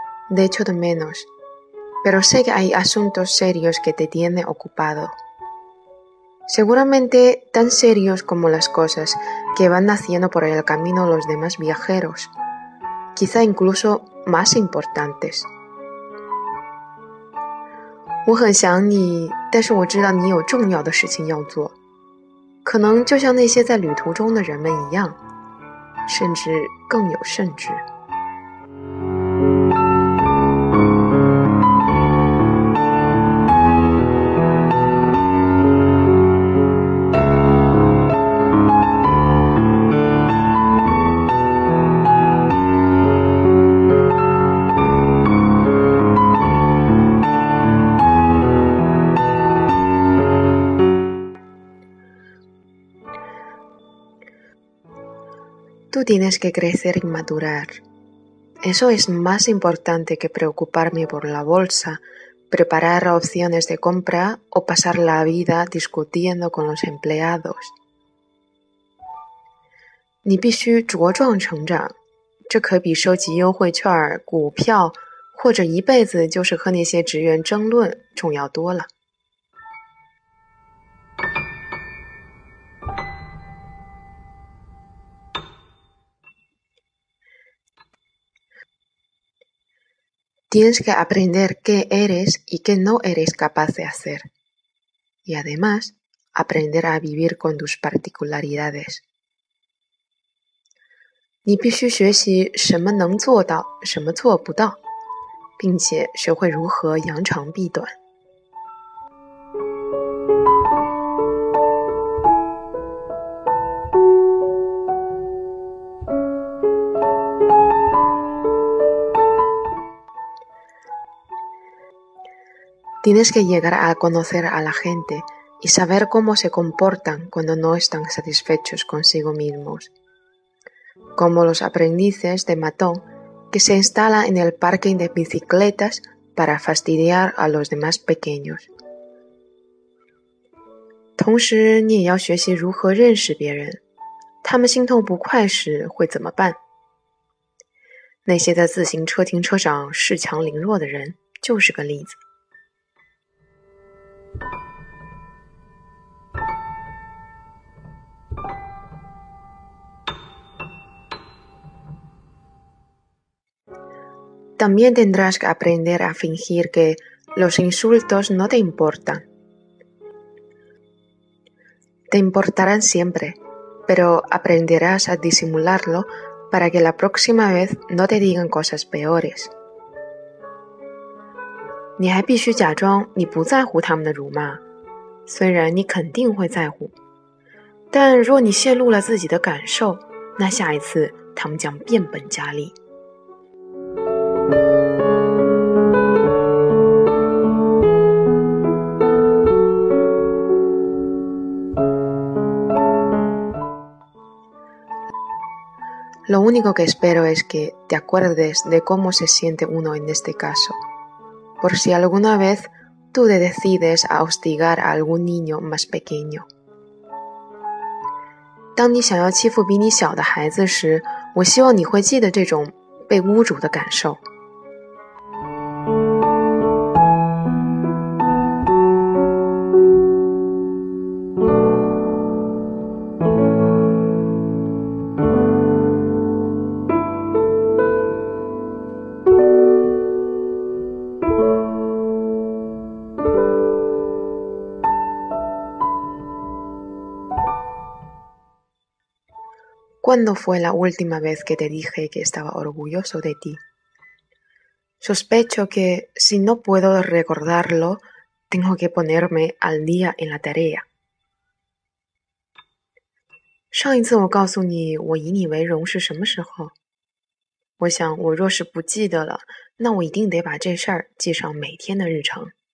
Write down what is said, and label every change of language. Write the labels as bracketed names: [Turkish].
[Spanish] De hecho de menos, pero sé que hay asuntos serios que te tienen ocupado. Seguramente tan serios como las cosas que van haciendo por el camino los demás viajeros, quizá incluso más importantes. [Chinese] 我很想你，但是我知道你有重要的事情要做。可能就像那些在旅途中的人们一样，甚至更有甚至。 [Spanish] Tú tienes que crecer y madurar. Eso es más importante que preocuparme por la bolsa, preparar opciones de compra o pasar la vida discutiendo con los empleados. [Chinese] 你必须茁壮成长，这可比收集优惠券、股票，或者一辈子就是和那些职员争论重要多了。 [Spanish] Tienes que aprender qué eres y qué no eres capaz de hacer. Y además, aprender a vivir con tus particularidades. [Chinese] 你必须学习什么能做到，什么做不到，并且学会如何扬长避短。 [Spanish] Tienes que llegar a conocer a la gente y saber cómo se comportan cuando no están satisfechos consigo mismos. Como los aprendices de matón que se instalan en el parque de bicicletas para fastidiar a los demás pequeños. [Chinese] 同时你也要学习如何认识别人。他们心痛不快时会怎么办？那些在自行车停车场恃强凌弱的人就是个例子。 [Spanish] También tendrás que aprender a fingir que los insultos no te importan. Te importarán siempre, pero aprenderás a disimularlo para que la próxima vez no te digan cosas peores. [Chinese] 你还必须假装你不在乎他们的辱骂，虽然你肯定会在乎。但若你泄露了自己的感受，那下一次他们将变本加厉。 [Spanish] Lo único que espero es que te acuerdes de cómo se siente uno en este caso, por si alguna vez tú te decides a hostigar a algún niño más pequeño. [Chinese] 当你想要欺负比你小的孩子时，我希望你会记得这种被侮辱的感受。 [Spanish] ¿Cuándo fue la última vez que te dije que estaba orgulloso de ti? Sospecho que, si no puedo recordarlo, tengo que ponerme al día en la tarea. [Chinese] 上一次我告诉你我以你为荣是什么时候？我想我若是不记得了，那我一定得把这事儿记上每天的日程。